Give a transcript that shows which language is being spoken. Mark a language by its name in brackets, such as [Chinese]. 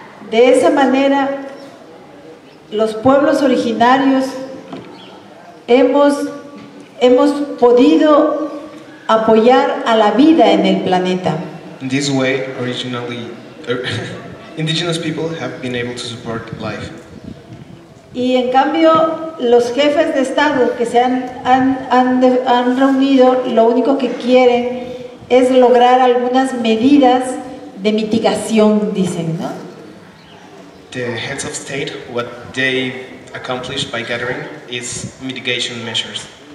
[Spanish] De esa manera, los pueblos originarios hemos podido apoyar a la vida en el planeta. [English] In this way, originally, indigenous people have been able to support life. [Spanish] Y en cambio, los jefes de Estado que se han reunido, lo único que quieren es lograr algunas medidas de mitigación, dicen, ¿no? [English] The heads of state, what they accomplished by gathering is mitigation measures.